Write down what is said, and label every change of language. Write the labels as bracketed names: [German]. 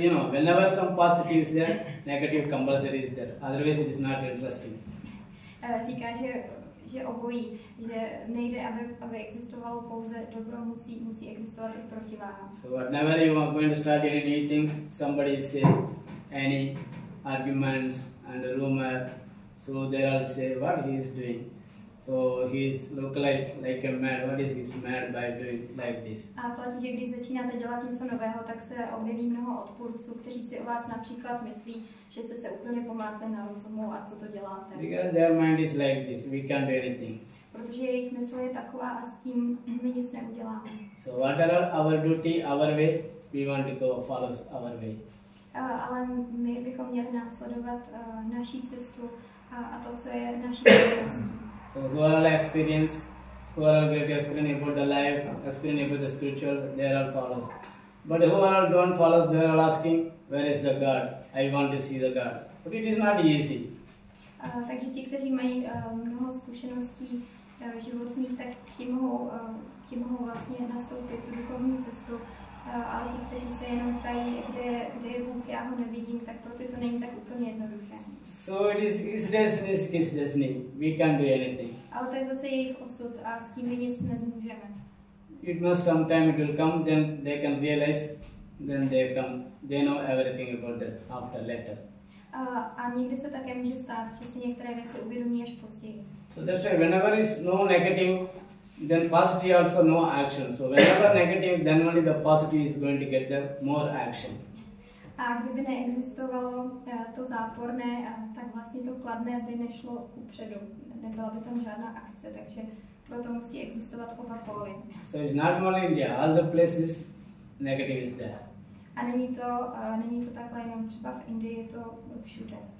[English] Whenever some positive is there, negative compulsory is there. Otherwise, it is not interesting. [Czech] Říká, že že obojí, že nejde, aby existovalo pouze dobro, musí existovat i protiváha. [English] So whenever you are going to start anything, somebody say any arguments and a rumor, so they all say what he is doing. So he is look like a mad. What is he mad by doing like this? [Czech] A platí, že když začínáte dělat něco nového, tak se objeví mnoho odpůrců, kteří si o vás například myslí, že jste se úplně pomátli na rozumu a co to děláte. [English] Because their mind is like this, we can't do anything. [Czech] Protože jejich mysl je taková a s tím my nic neuděláme. [English] So what are our duty, our way? We want to go follow our way. [Czech] Ale my bychom měli následovat naší cestu a to, co je naší cestu. [English] So who are all experience, who are all going to explain about the life, explain about the spiritual, they are all followers. But who are all don't follow, they are all asking, where is the God? I want to see the God. But it is not easy. [Czech] Takže ti, kteří mají mnoho zkušeností životních, tak ti mohou vlastně nastoupit tu duchovní cestu. Ale ti, kteří se jenom ptají, kde je Bůh, já ho nevidím, tak pro ty to není tak úplně jednoduché. [English] So it is his destiny, it's his destiny. We can't do anything. [Czech] Ale to je zase jejich osud a s tím my nic nezmůžeme. [English] It must sometime it will come, then they can realize, then they come, they know everything about that after, later. [Czech] A někdy se také může stát, že si některé věci uvědomí až později. [English] So that's why whenever is no negative, then positive also no action. So whenever negative, then only the positive is going to get the more action. [Czech] A kdyby neexistovalo to záporné, tak vlastně to kladné by nešlo kupředu. Nebyla by tam žádná akce, takže proto musí existovat oba póly. [English] So it's not only India, other places negative is there. [Czech] A není to takhle jenom třeba v Indii, je to všude.